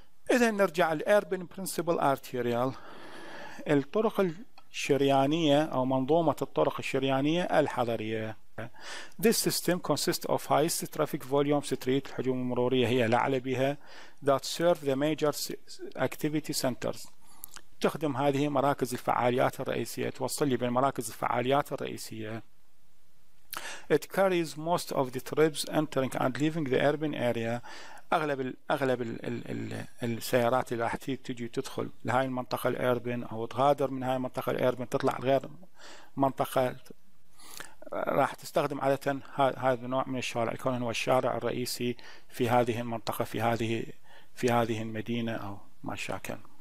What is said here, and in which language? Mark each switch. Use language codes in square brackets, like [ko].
[ar] إذا نرجع الـ Urban Principal Arterial، الطرق الشريانية أو منظومة الطرق الشريانية الحضرية. [en] This system consists of highest traffic volume street، [ar] الحجوم المرورية هي الأعلى بها، [en] that serve the major activity centers، [ar] تخدم هذه مراكز الفعاليات الرئيسية، توصل لي بين مراكز الفعاليات الرئيسية. [en] It carries most of the trips entering and leaving the urban area. [ar] أغلب السيارات اللي راح تجي تدخل لهاي المنطقة الأربن أو تغادر من هاي المنطقة الأربن تطلع غير منطقة، راح تستخدم عادة هذا النوع من الشوارع، يكون هو الشارع الرئيسي في هذه المنطقة، في هذه المدينة أو ما شاكل.